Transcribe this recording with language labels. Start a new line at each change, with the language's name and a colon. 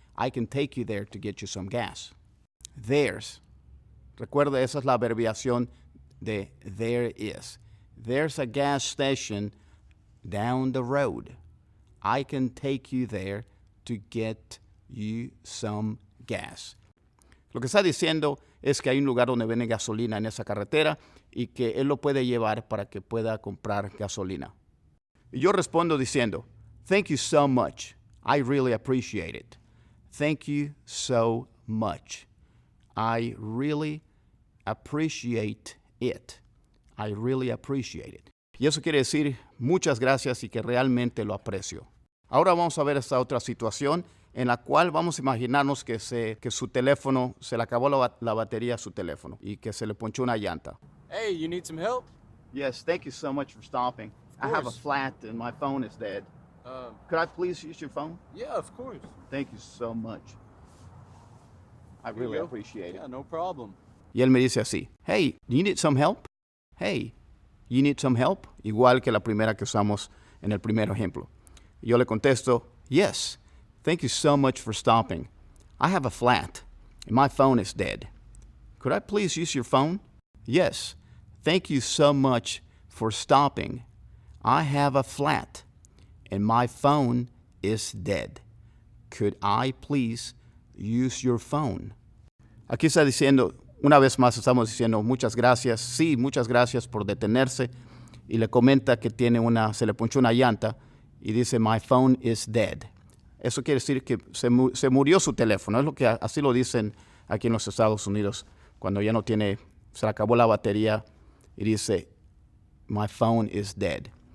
English: I can take you there to get you some gas. There's.
Spanish: Recuerda, esa es la abreviación de
English: there is. There's a gas station down the road. I can take you there to get you some gas.
Spanish: Lo que está diciendo es que hay un lugar donde venden gasolina en esa carretera y que él lo puede llevar para que pueda comprar gasolina. Y yo respondo diciendo,
English: thank you so much. I really appreciate it. Thank you so much. I really appreciate it. I really appreciate it.
Spanish: Y eso quiere decir muchas gracias y que realmente lo aprecio. Ahora vamos a ver esta otra situación en la cual vamos a imaginarnos que su teléfono, se le acabó la batería a su teléfono y que se le ponchó una llanta.
English: Hey, you need some help? Yes, thank you so much for stopping. I have a flat and my phone is dead. Could I please use your phone? Yeah, of course. Thank you so much. I really appreciate it. Yeah, no problem.
Spanish: Y él me dice así,
English: hey, you need some help? Hey, you need some help?
Spanish: Igual que la primera que usamos en el primer ejemplo. Yo le contesto,
English: yes, thank you so much for stopping. I have a flat and my phone is dead. Could I please use your phone? Yes, thank you so much for stopping. I have a flat and my phone is dead. Could I please use your phone?
Spanish: Aquí está diciendo, una vez más estamos diciendo muchas gracias. Sí, muchas gracias por detenerse. Y le comenta que se le ponchó una llanta y dice,
English: my phone is dead.
Spanish: Eso quiere decir que se murió su teléfono. Es lo que así lo dicen aquí en los Estados Unidos cuando ya no tiene, se le acabó la batería y dice,
English: my phone is dead.